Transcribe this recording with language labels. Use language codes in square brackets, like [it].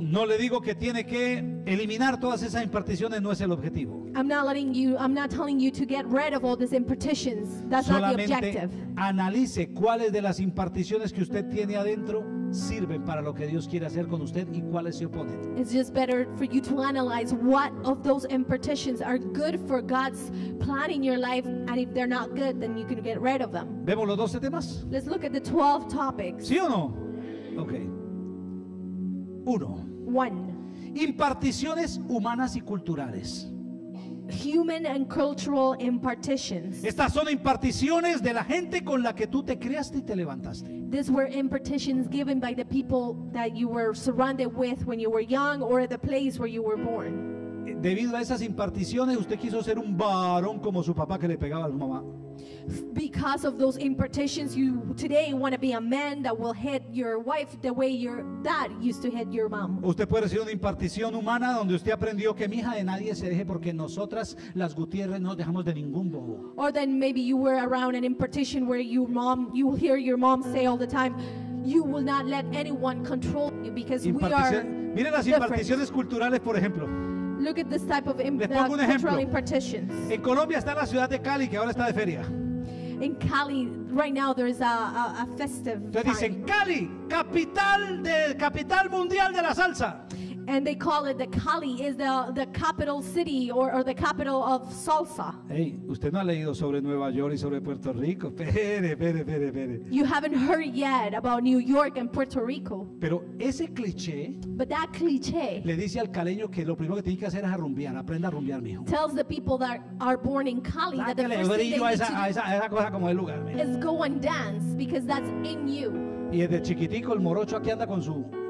[es] No le digo que tiene que eliminar todas esas imparticiones, no es el objetivo. [en] I'm not telling you to get rid of all these impartitions. That's [es] Solamente [en] not the objective. [es] Analice cuáles de las imparticiones que usted tiene adentro sirven para lo que Dios quiere hacer con usted y cuáles se oponen. [en] It's just better for you to analyze what of those impartitions are good for God's plan in your life, and if they're not good, then you can get rid of them. [es] ¿Vemos los 12 temas? [en] Let's look at the 12 topics. [es] ¿Sí o no? Okay. 1. Imparticiones humanas y culturales. [en] Human and cultural impartitions. [es] Estas son imparticiones de la gente con la que tú te criaste y te levantaste. [en] These were impartitions given by the people that you were surrounded with when you were young or at the place where you were born. [es] Debido a esas imparticiones, usted quiso ser un varón como su papá que le pegaba a su mamá. [en] because of those impartations, you today want to be a man that will hit your wife the way your dad used to hit your mom. [es] Usted puede ser una impartición humana donde usted aprendió que mi hija de nadie se deje porque nosotras las Gutiérrez no dejamos de ningún bobo. [en] Or then maybe you were around an impartition where your mom, you hear your mom say all the time, you will not let anyone control you because we are. [es] Miren las imparticiones culturales, por ejemplo. [en] Look at this type of cultural impartitions. [es] En Colombia está la ciudad de Cali que ahora está de feria. [en] In Cali, right now there is a festive. [es] Entonces dicen [en] time. [es] Cali, capital mundial de la salsa. [en] And they call it the Cali is the capital city or the capital of salsa. [es] Hey, usted no ha leído sobre Nueva York y sobre Puerto Rico. Espere. [en] You haven't heard yet about New York and Puerto Rico. [es] Pero ese cliché. [en] But that cliché. [es] Le dice al caleño que lo primero que tiene que hacer es arrumbiar, aprenda a rumbiar, mijo. [en] Tells the people that are born in Cali that the first thing they need to do [es] esa cosa como el lugar, [en] is go and dance because that's in you. [es] Y desde chiquitico el morocho aquí anda con su